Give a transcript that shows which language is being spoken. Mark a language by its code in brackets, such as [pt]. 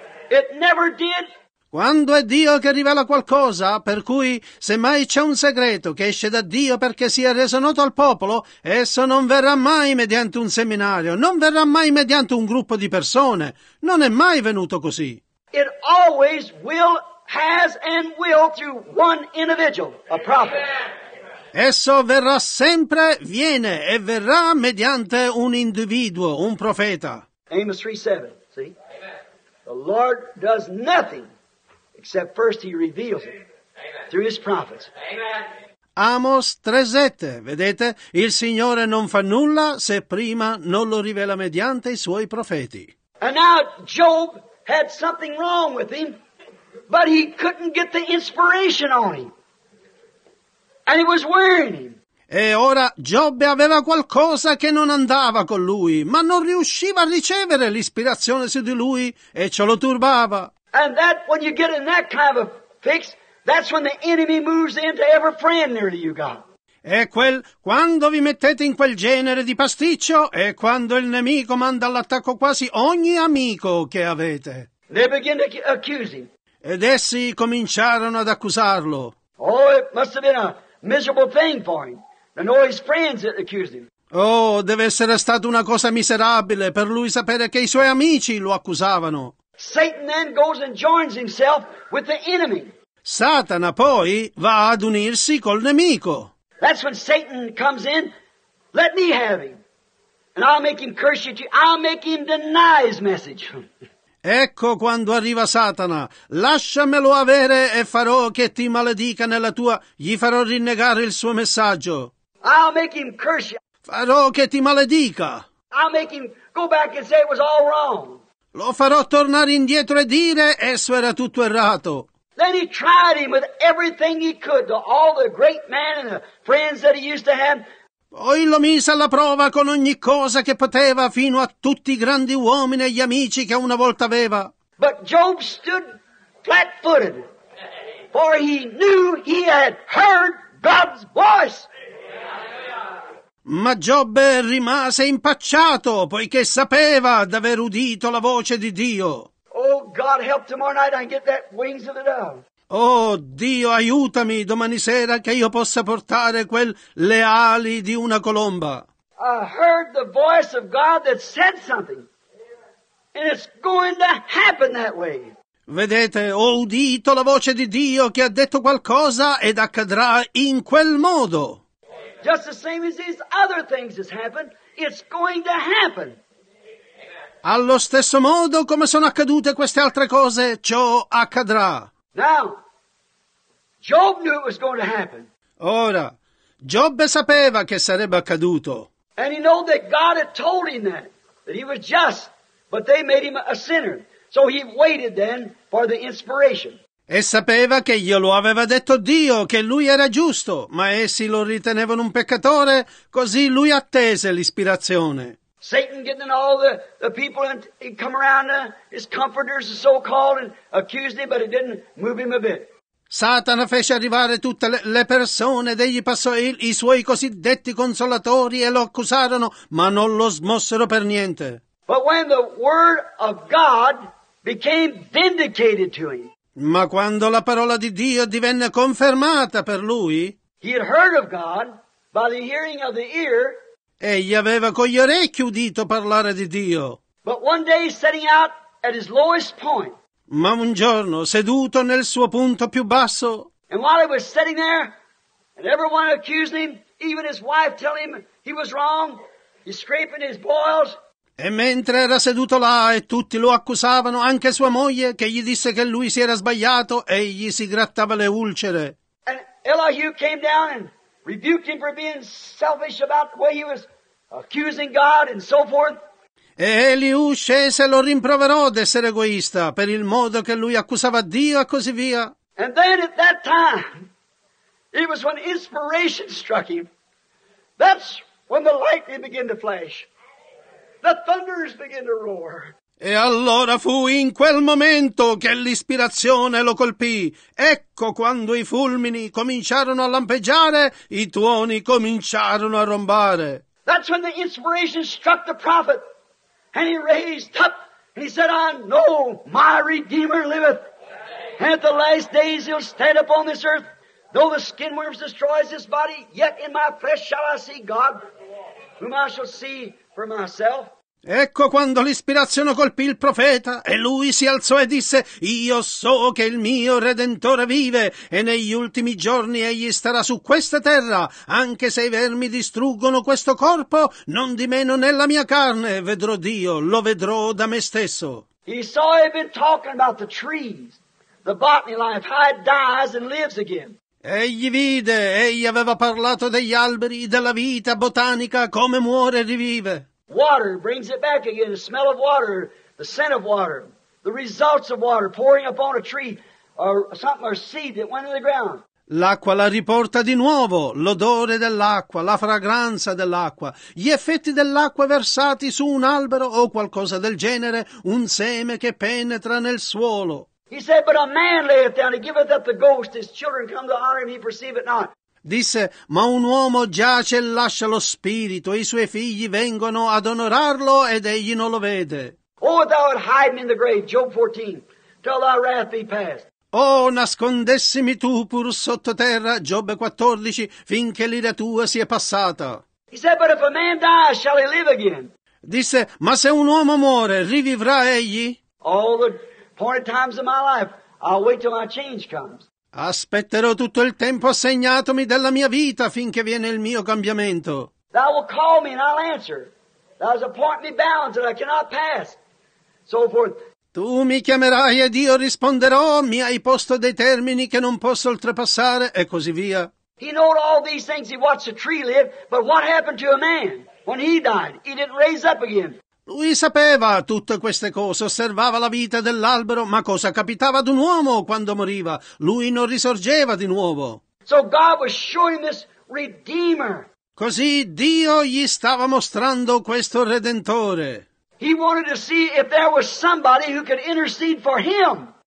[en] It never did. [it] Quando è Dio che rivela qualcosa, per cui semmai c'è un segreto che esce da Dio perché sia reso noto al popolo, esso non verrà mai mediante un seminario, non verrà mai mediante un gruppo di persone. Non è mai venuto così. [en] It always will, has and will through one individual, a prophet. [it] Esso verrà sempre, viene e verrà mediante un individuo, un profeta. [en] Amos 3:7, see? The Lord does nothing except first he reveals it through his prophets. [it] Amos 3:7, vedete? Il Signore non fa nulla se prima non lo rivela mediante i suoi profeti. [en] And now Job had something wrong with him, but he couldn't get the inspiration on him. And it was wearing him. [it] E ora Giobbe aveva qualcosa che non andava con lui, ma non riusciva a ricevere l'ispirazione su di lui e ciò lo turbava. [en] And that when you get in that kind of a fix, that's when the enemy moves into every friend near you got. [it] E quel quando vi mettete in quel genere di pasticcio è quando il nemico manda all'attacco quasi ogni amico che avete. [en] They begin to accuse him. [it] Ed essi cominciarono ad accusarlo. [en] Oh, it must have been a miserable thing for him. And all his friends that accused him. [it] Oh, deve essere stata una cosa miserabile per lui sapere che i suoi amici lo accusavano. [en] Satan then goes and joins himself with the enemy. [it] Satana poi va ad unirsi col nemico. [en] That's when Satan comes in. Let me have him. And I'll make him curse you. I'll make him deny his message. [it] Ecco quando arriva Satana, lasciamelo avere e farò che ti maledica nella tua, gli farò rinnegare il suo messaggio. [en] I'll make him curse you. [it] Farò che ti maledica. [en] I'll make him go back and say it was all wrong. [it] Lo farò tornare indietro e dire esso era tutto errato. [en] Then he tried him with everything he could, to all the great men and the friends that he used to have. [it] Poi lo mise alla prova con ogni cosa che poteva, fino a tutti i grandi uomini e gli amici che una volta aveva. [en] But Job stood flat-footed, for he knew he had heard God's voice. [it] Ma Giobbe rimase impacciato, poiché sapeva d'aver udito la voce di Dio. [en] Oh, God, help tomorrow night I get that wings of the dove. [it] Oh, Dio, aiutami domani sera che io possa portare quel le ali di una colomba. [en] I heard the voice of God that said something. And it's going to happen that way. [it] Vedete, ho udito la voce di Dio che ha detto qualcosa ed accadrà in quel modo. [en] Just the same as these other things has happened, it's going to happen. [it] Allo stesso modo come sono accadute queste altre cose, ciò accadrà. [en] Now, Job knew it was going to happen. [it] Ora, Giobbe sapeva che sarebbe accaduto. [en] And he knew that God had told him that, that he was just, but they made him a sinner. So he waited then for the inspiration. [it] E sapeva che glielo aveva detto Dio, che lui era giusto, ma essi lo ritenevano un peccatore, così lui attese l'ispirazione. [en] Satan getting all the people and he'd come around his comforters, so called, and accused him, but it didn't move him a bit. [it] Satana fece arrivare tutte le persone ed egli passò i suoi cosiddetti consolatori e lo accusarono, ma non lo smossero per niente. [en] But when the word of God became vindicated to him. [it] Ma quando la parola di Dio divenne confermata per lui. [en] He had heard of God by the hearing of the ear. [it] Egli aveva con gli orecchi udito parlare di Dio. [en] But one day setting out at his lowest point. [it] Ma un giorno, seduto nel suo punto più basso. [en] And while he was sitting there, and everyone accused him, even his wife telling him he was wrong, he's scraping his boils. [it] E mentre era seduto là e tutti lo accusavano, anche sua moglie, che gli disse che lui si era sbagliato, egli si grattava le ulcere. [en] And Elihu came down and rebuked him for being selfish about the way he was accusing God and so forth. [it] E Eliu scese e lo rimproverò d'essere egoista per il modo che lui accusava Dio e così via. [en] And then at that time, it was when inspiration struck him. That's when the lightning began to flash. The thunders began to roar. [it] E allora fu in quel momento che l'ispirazione lo colpì. Ecco quando i fulmini cominciarono a lampeggiare, i tuoni cominciarono a rombare. [en] That's when the inspiration struck the prophet. And he raised up, and he said, I know my Redeemer liveth. And at the last days he'll stand upon this earth. Though the skin worms destroys his body, yet in my flesh shall I see God, whom I shall see for myself. [it] Ecco quando l'ispirazione colpì il profeta, e lui si alzò e disse, Io so che il mio Redentore vive, e negli ultimi giorni egli starà su questa terra, anche se i vermi distruggono questo corpo, non di meno nella mia carne vedrò Dio, lo vedrò da me stesso. [en] He saw he'd been talking about the trees, the botany life, how it dies and lives again. [it] Egli vide, egli aveva parlato degli alberi, della vita botanica, come muore e rivive. [en] Water brings it back again, the smell of water, the scent of water, the results of water pouring upon a tree or something or seed that went in the ground. [it] L'acqua la riporta di nuovo, l'odore dell'acqua, la fragranza dell'acqua, gli effetti dell'acqua versati su un albero o qualcosa del genere, un seme che penetra nel suolo. [en] He said, but a man layeth down, he giveth up the ghost, his children come to honor him, he perceiveth not. [it] Disse, ma un uomo giace e lascia lo spirito, e i suoi figli vengono ad onorarlo ed egli non lo vede. [en] Oh, thou art hiding in the grave, Job 14, till thy wrath be past. [it] Oh, nascondessimi tu pur sottoterra, Job 14, finché l'ira tua sia passata. [en] He said, but if a man dies, shall he live again? [it] Disse, ma se un uomo muore, rivivrà egli? [en] All the appointed times of my life, I'll wait till my change comes. [it] Aspetterò tutto il tempo assegnatomi della mia vita finché viene il mio cambiamento. [en] Thou will call me and I'll answer. Thou hast appointed me bounds that I cannot pass. So forth. [it] Tu mi chiamerai ed io risponderò, mi hai posto dei termini che non posso oltrepassare, e così via. [en] He knew all these things, he watched a tree live, but what happened to a man when he died? He didn't raise up again. [it] Lui sapeva tutte queste cose, osservava la vita dell'albero, ma cosa capitava ad un uomo quando moriva? Lui non risorgeva di nuovo. [en] So God was showing this Redeemer. [it] Così Dio gli stava mostrando questo Redentore. [en] He wanted to see if there was somebody who could intercede for him.